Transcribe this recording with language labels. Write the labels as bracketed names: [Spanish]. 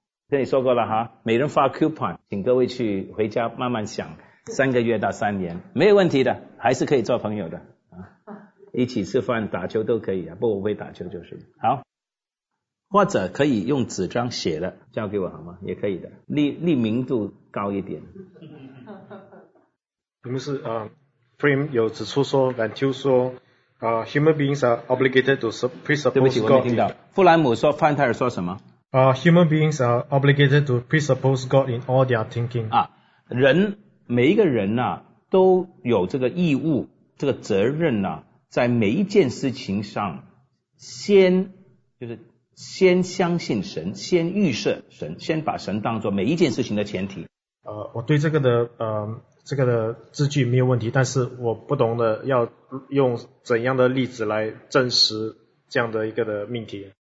[Chinese] 跟你说过了哈，每人发 coupon， 请各位去回家慢慢想，3个月到3年，没有问题的，还是可以做朋友的啊，一起吃饭、打球都可以啊，不我会打球就是。好，或者可以用纸张写的交给我好吗？也可以的，匿名度高一点。我们是Frame 有指出说 ，Van Til 说。 [English] Human beings are obligated to presuppose God. [Chinese] 对不起，我没听到。弗兰姆说，范泰尔说什么？ [English] Human beings are obligated to presuppose God in all their thinking. [Chinese] 啊，人每一个人呐、啊，都有这个义务、这个责任呐、啊，在每一件事情上，先相信神，先预设神，先把神当作每一件事情的前提。我对这个的这个的字句没有问题，但是我不懂得要用怎样的例子来证实这样的一个的命题。